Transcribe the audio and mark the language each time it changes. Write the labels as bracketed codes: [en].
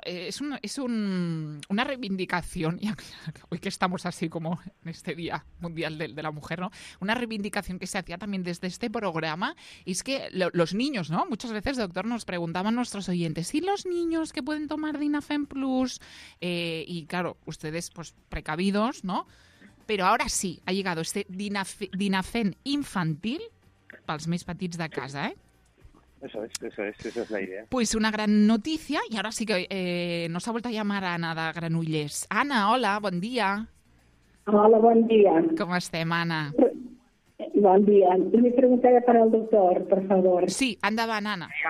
[es] Es una reivindicación, ya, hoy que estamos así como en este Día Mundial de la Mujer, ¿no? Una reivindicación que se hacía también desde este programa, y es que los niños, ¿no? Muchas veces, doctor, nos preguntaban nuestros oyentes, ¿y los niños que pueden tomar Dinafen Plus? Y claro, ustedes, pues, precavidos, ¿no? Pero ahora sí, ha llegado este Dinafen infantil [ca] pels més petits de casa, [es] ¿eh? Eso es la idea. Pues una gran noticia, y ahora sí que nos ha vuelto a llamar Anna de Granollers. [ca] Anna, hola, bon dia. Hola, bon dia. Com estem, Anna? Bon dia. Una pregunta per al doctor, per favor. Sí, endavant, Anna.